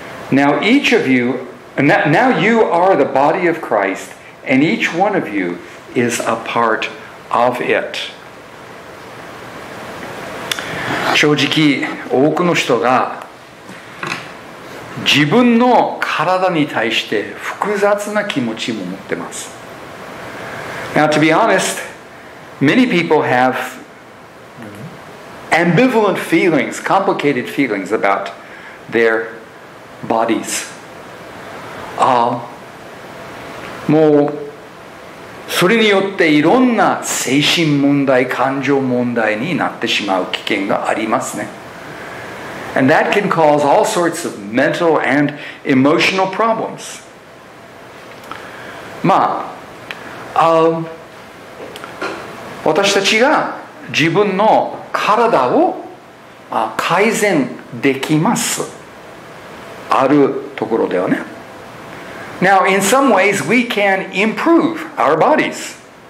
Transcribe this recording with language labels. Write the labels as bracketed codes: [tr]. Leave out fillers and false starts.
[en] Now each of you, now you are the body of Christ, and each one of you is a part of it. [ja] 正直、多くの人が自分の体に対して複雑な気持ちも持ってます。 [en] Now to be honest, many people have ambivalent feelings, complicated feelings about their bodies. [ja] もうそれによっていろんな精神問題、感情問題になってしまう危険がありますね。 [en] And that can cause all sorts of mental and emotional problems. [ja] まあ、私たちが自分の体を改善できます。あるところではね。 [en] Now, in some ways, we can improve our bodies.